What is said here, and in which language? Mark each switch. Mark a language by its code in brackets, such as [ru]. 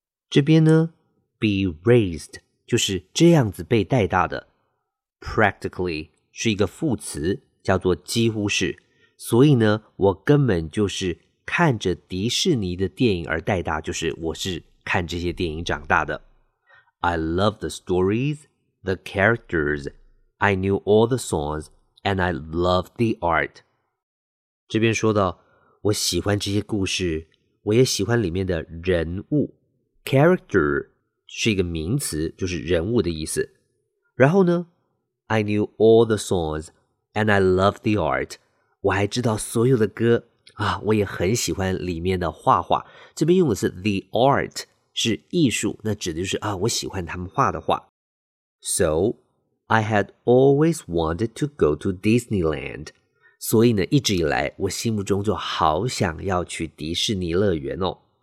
[zh] 这边呢 , [en] be raised, [zh] 就是这样子被带大的。 Practically 是一个副词，叫做几乎是。所以呢我根本就是看着迪士尼的电影而带大，就是我是看这些电影长大的。 [en] I love the stories, the characters, I knew all the songs, and I love the art. [zh] 这边说到，我喜欢这些故事，我也喜欢里面的人物。 Character 是一个名词，就是人物的意思。然后呢 [en] ,I knew all the songs, and I love the art. [zh] 我还知道所有的歌。啊，我也很喜欢里面的画画。这边用的是 the art, 是艺术，那指的就是啊，我喜欢他们画的画。 [en] So, I had always wanted to go to Disneyland. [zh] 所以呢，一直以来，我心目中就好想要去迪士尼乐园哦。